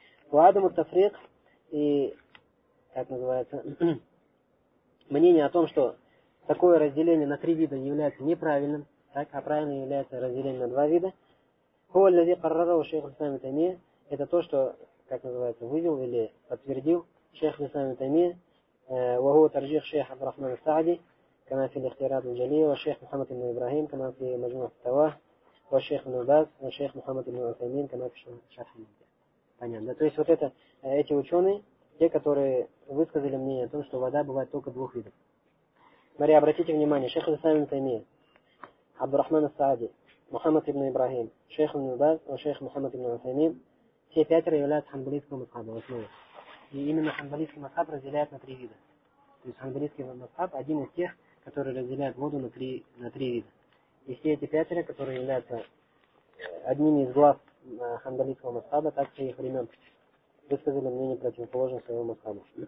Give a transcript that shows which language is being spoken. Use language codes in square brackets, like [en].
[ar] Уадам ат-тафриқ [ru] и, как называется, мнение о том, что такое разделение на три вида является неправильным, так? А правильно является разделение на два вида. [ar] Хуа ль-лази каррараху [ru] шейх ль-Ислам ибн Таймия, это то, что, как называется, вывел или подтвердил шейх ль-Ислам ибн Таймия. [ar] وهو ترجيح شيخ عبد الرحمن السعدي كما في الاختيارات الجليه والشيخ محمد بن ابراهيم كما في مجموع التوا والشيخ ابن باز والشيخ محمد بن عثيمين كما في شرح المنهج [ru] понятно. То есть вот это эти ученые, те, которые высказали мнение о том, что вода бывает только двух видов. Смотри, обратите внимание, шейх ибн Таймия, عبد الرحمن السعدي, محمد بن ابراهيم, شيخ ابن باز والشيخ محمد بن عثيمين, все пятеро являются ханбалийскими мазхабами. И именно ханбалийский масхаб разделяет на три вида. То есть ханбалийский масхаб один из тех, которые разделяют воду на три вида. И все эти пятеро, которые являются одними из глав ханбалийского масхаба, так в своих времен высказали мнение противоположное своему масхабу.